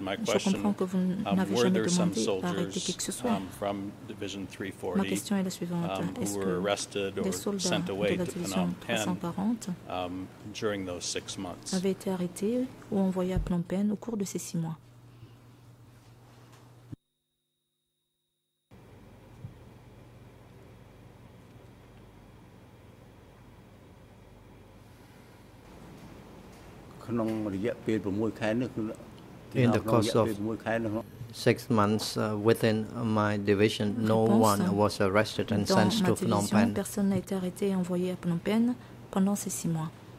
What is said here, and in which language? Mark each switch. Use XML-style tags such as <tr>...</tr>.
<en>My question, were there some soldiers from Division 340 who were arrested or sent away to Phnom Penh during those 6 months?</en> <fr>Avaient été arrêtés ou envoyés à Phnom Penh au cours de ces 6 mois?</fr> <en>In the course of 6 months within my division, no one was arrested and sent to Phnom Penh.</en> <fr>Personne n'a été arrêté et envoyé à Phnom Penh pendant ces 6 mois.</fr>